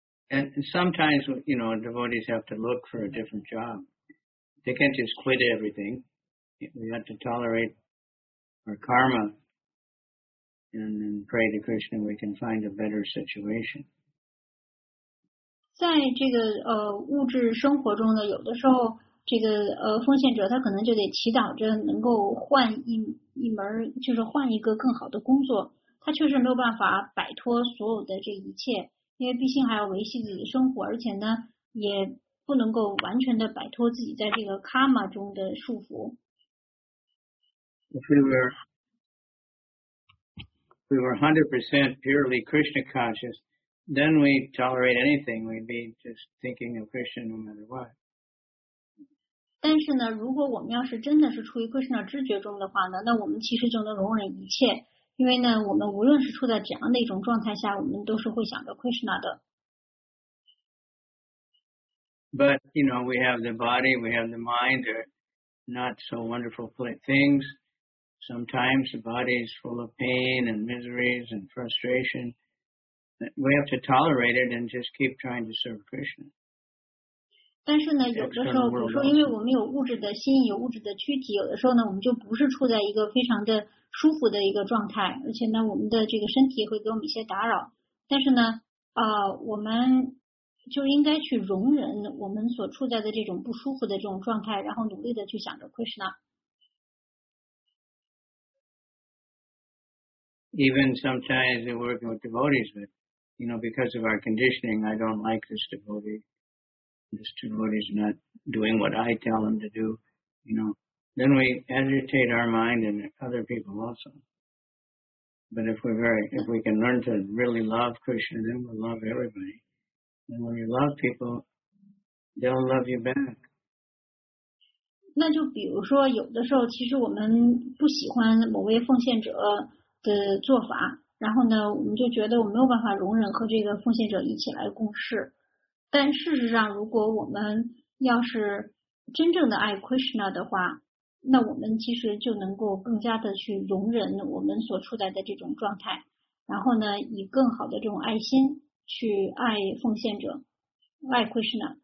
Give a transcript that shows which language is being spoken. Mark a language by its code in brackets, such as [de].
[en] And sometimes, you know, devotees have to look for a different job. They can't just quit everything. We have to tolerate our karma.And then pray to Krishna we can find a better situation. [zh] 在这个物质生活中呢，有的时候这个奉献者他可能就得祈祷着能够换一门，就是换一个更好的工作，他确实没有办法摆脱所有的这一切，因为毕竟还要维系自己的生活，而且呢也不能够完全的摆脱自己在这个卡玛中的束缚。 [en] If we were 100% purely Krishna conscious, then we'd tolerate anything. We'd be just thinking of Krishna no matter what. [zh] 但是呢，如果我们要是真的是处于 Krishna 知觉中的话呢，那我们其实就能容忍一切，因为呢，我们无论是处在怎样的一种状态下，我们都是会想着 Krishna 的。 [en] But you know, we have the body, we have the mind. They're not so wonderful things. Sometimes the body is full of pain and miseries and frustration. We have to tolerate it and just keep trying to serve Krishna. [zh] 但是呢，有的时候，比如说，因为我们有物质的心，有物质的躯体，有的时候呢，我们就不是处在一个非常的舒服的一个状态，而且呢，我们的这个身体会给我们一些打扰。但是呢，我们就应该去容忍我们所处在的这种不舒服的这种状态，然后努力的去想着 Krishna。 [en] Even sometimes we're working with devotees, but, you know, because of our conditioning, I don't like this devotee. This devotee is not doing what I tell him to do, you know. Then we agitate our mind and other people also. But if we can learn to really love Krishna, then we'll love everybody. And when you love people, they'll love you back. [zh] 那就比如说有的时候其实我们不喜欢某位奉献者的做法，然后呢我们就觉得我没有办法容忍和这个奉献者一起来共事，但事实上如果我们要是真正的爱 Krishna 的话，那我们其实就能够更加的去容忍我们所处在的这种状态，然后呢以更好的这种爱心去爱奉献者，爱 Krishna。